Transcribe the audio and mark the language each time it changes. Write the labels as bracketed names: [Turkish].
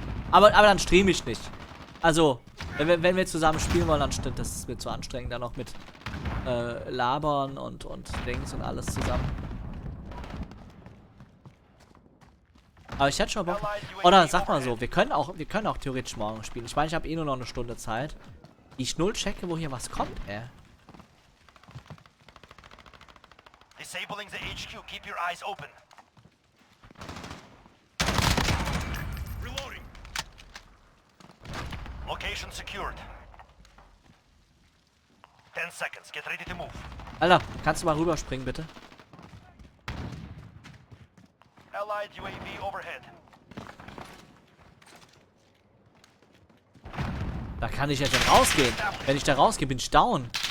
[German] Aber dann streame ich nicht. Also, wenn wir zusammen spielen wollen, dann stimmt, das ist mir zu anstrengend, dann noch mit Labern und Dings und alles zusammen. Aber ich hätte schon Bock. Oder sag mal so, wir können auch theoretisch morgen spielen. Ich meine, ich habe eh nur noch eine Stunde Zeit. Ich null checke, wo hier was kommt, ey. [English] Disabling the HQ, keep your eyes open. Reloading. Location secured. 10 seconds, get ready to move. [German] Alter, kannst du mal rüberspringen, bitte? [English] Allied UAV overhead. [German] Da kann ich jetzt rausgehen. Wenn ich da rausgehe, bin ich down.